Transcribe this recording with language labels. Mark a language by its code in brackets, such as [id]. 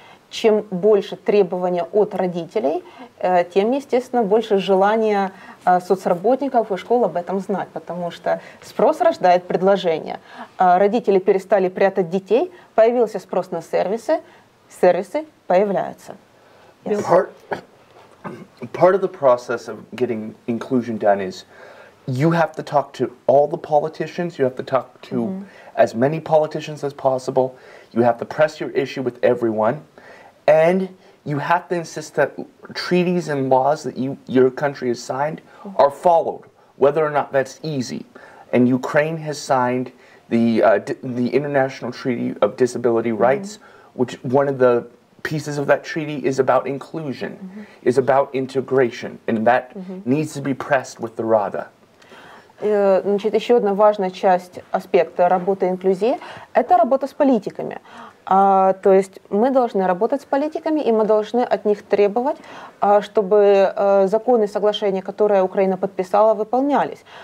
[ru] Чем больше требования от родителей, тем, естественно, больше желания соцработников и школ об этом знать, потому что спрос рождает предложение. Родители перестали прятать детей, появился спрос на сервисы, сервисы появляются. [en] Yes. Part of the process of getting inclusion done is you have to talk to all the politicians, you have to talk to mm-hmm. as many politicians as possible, you have to press your issue with everyone. And you have to insist that treaties and laws that your country has signed are followed, whether or not that's easy. And Ukraine has signed the International Treaty of Disability Rights, mm-hmm. which one of the pieces of that treaty is about inclusion, mm-hmm. is about integration, and that mm-hmm. needs to be pressed with the Rada. [ru] Значит, еще одна важная часть аспекта работы инклюзии – это работа с политиками. То есть мы должны работать с политиками, и мы должны от них требовать, чтобы законы и соглашения, которые Украина подписала, выполнялись.